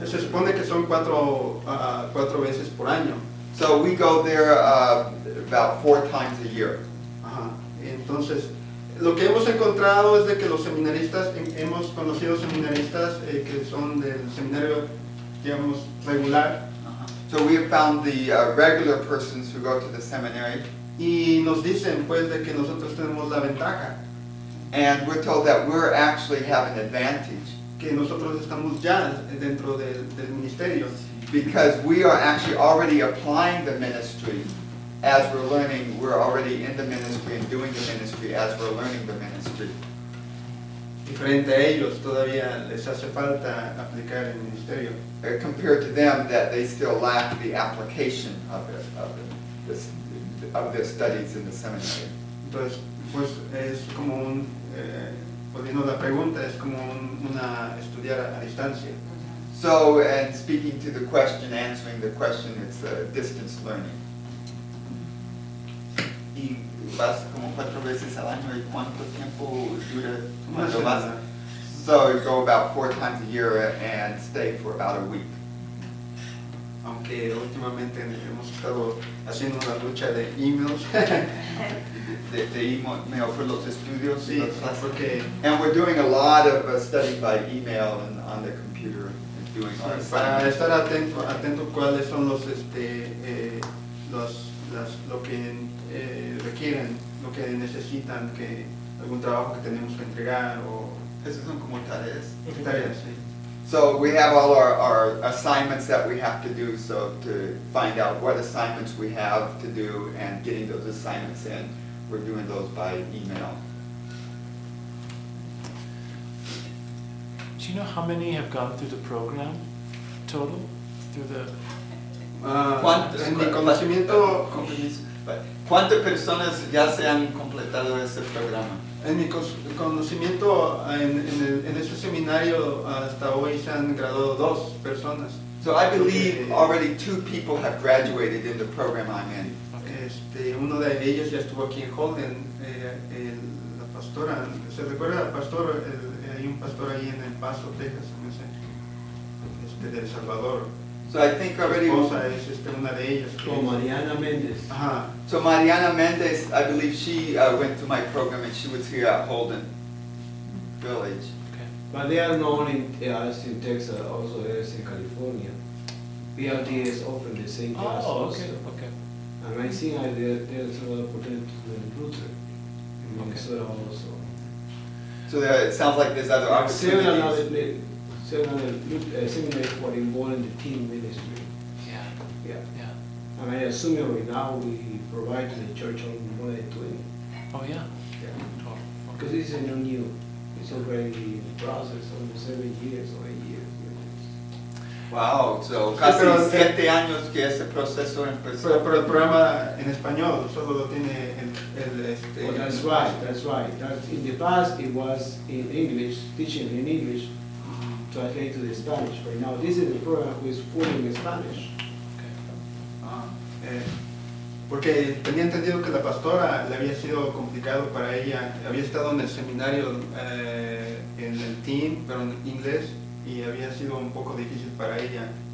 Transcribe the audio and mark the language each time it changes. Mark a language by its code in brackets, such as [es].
[es] Se supone que son cuatro veces por año. [en] So we go there about four times a year. [es] Entonces, lo que hemos encontrado es de que los seminaristas, hemos conocido seminaristas que son del seminario, digamos, regular. [en] So we have found the regular persons who go to the seminary. [es] Y nos dicen, pues, de que nosotros tenemos la ventaja. [en] And we're told that we're actually have an advantage. [es] Que nosotros estamos ya dentro del ministerio. [en] Because we are actually already applying the ministry. As we're learning, we're already in the ministry and doing the ministry as we're learning the ministry. [es] Diferente a ellos, todavía les hace falta aplicar el ministerio. [en] Compared to them, that they still lack the application of their studies in the seminary. [es] Entonces, pues es como un, poniendo la pregunta, es como una estudiar a distancia. [en] So, and speaking to the question, answering the question, it's a distance learning. [es] ¿Y vas como cuatro veces al año? ¿Y cuánto tiempo dura tu clase? [en] So you go about four times a year and stay for about a week. [es] Aunque últimamente hemos estado haciendo una lucha de emails. de email for los estudios. Sí, [en] that's okay. And we're doing a lot of study by email and on the computer. And doing [es] para estar atento cuáles son los requieren, lo que necesitan, que algún trabajo que tenemos que entregar o esas son como tareas. Tareas, sí. [en] So we have all our assignments that we have to do, so to find out what assignments we have to do and getting those assignments in, we're doing those by email. Do you know how many have gone through the program total? Through the [es] ¿Cuántas personas ya se han completado ese programa? En mi conocimiento, en ese seminario, hasta hoy se han graduado dos personas. [en] So I believe already two people have graduated in the program I'm in. Okay. [es] Uno de ellos ya estuvo aquí en Holden, la pastora. ¿Se recuerda al pastor? Hay un pastor ahí en El Paso, Texas, en ese, de El Salvador. [en] So I think already Mariana Mendez. So Mariana Mendez, I believe she went to my program and she was here at Holden Village. Okay. But they are known in Austin, Texas, also as in California. BLT is offering the same class. Oh, okay. Also. Okay. And I see there's a lot of potential in Luther in Minnesota also. So there, it sounds like there's other opportunities. Seminary for involved in the team ministry. Yeah. And I assume right now we provide to the church on more than 20. Oh, yeah? Yeah. Because this is a new. It's already in the process of 7 years or 8 years. Wow, so [es] casi 7 años que ese proceso empezó. Pero el programa en español solo lo tiene el [en] That's right. That's in the past it was in English, teaching in English. translate to the Spanish. Right now, this is the program who is fully in Spanish. [es] Porque tenía entendido que la pastora le había sido complicado para ella. Había estado en el seminario en el team, pero en inglés, y había sido un poco difícil para ella.